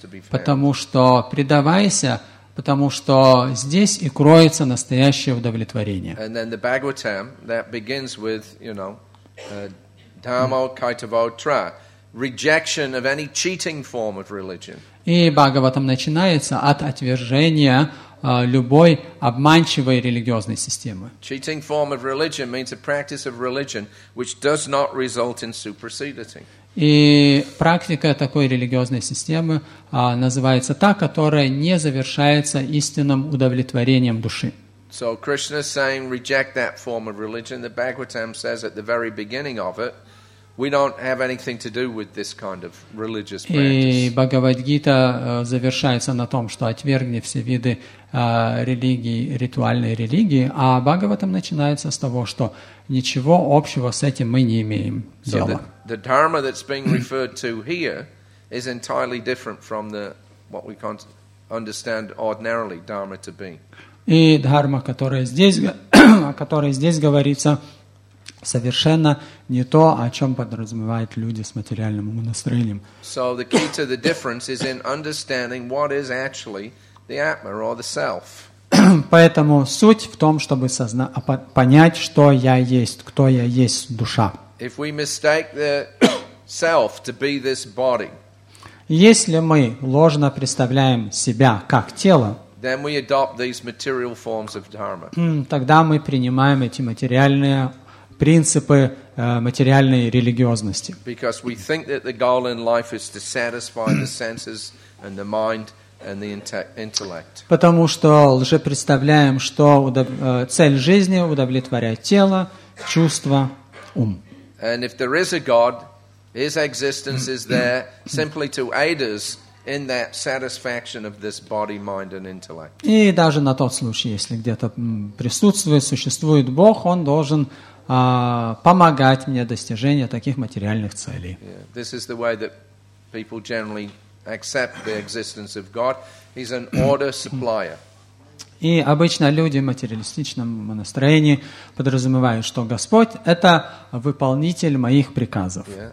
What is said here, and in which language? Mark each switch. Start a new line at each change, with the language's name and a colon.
Russian: Потому что предавайся, потому что здесь и кроется настоящее удовлетворение.
English: And then the Bhagavatam, that begins with, you know,
Sanskrit: dhammo kaitavotra,
English: rejection of any cheating form of religion.
Russian: И Бхагаватам начинается от отвержения любой обманчивой религиозной системы.
English: Cheating form of religion means a practice of religion which does not result in supersedity.
Russian: И практика такой религиозной системы называется та, которая не завершается истинным удовлетворением души.
English: So Krishna is saying reject that form of religion. The Bhagavatam says at the very beginning of it, we don't have anything to do with this kind of religious practice.
Russian: И Бхагавад-гита завершается на том, что отвергни все виды религии, ритуальной религии, а Бхагаватам начинается с того, что ничего общего с этим мы не имеем дела.
English: The dharma that's being referred to here is entirely different from the what we can't understand ordinarily dharma to be.
Russian: И дхарма, о которой здесь говорится, совершенно не то, о чем подразумевают люди с материальным умонастроением.
English: So the key to the difference is in understanding what is actually the atma or the self.
Russian: Поэтому суть в том, чтобы понять, что я есть, кто я есть, душа.
English: If we mistake the self to be this body,
Russian: если мы ложно представляем себя как тело,
English: then we adopt these material forms of dharma.
Russian: Тогда мы принимаем эти материальные принципы материальной религиозности.
English: Because we think that the goal in life is to satisfy the senses and the mind and the intellect.
Russian: Потому что лжепредставляем, что цель жизни удовлетворять тело, чувства, ум.
English: And if there is a God, his existence is there simply to aid us in that satisfaction of this body, mind and intellect.
Russian: И даже на тот случай, если где-то присутствует, существует Бог, он должен помогать мне достижению таких материальных целей.
English: Yeah. This is the way that people generally accept the existence of God. He's an order supplier.
Russian: И обычно люди в материалистичном настроении подразумевают, что Господь – это выполнитель моих приказов.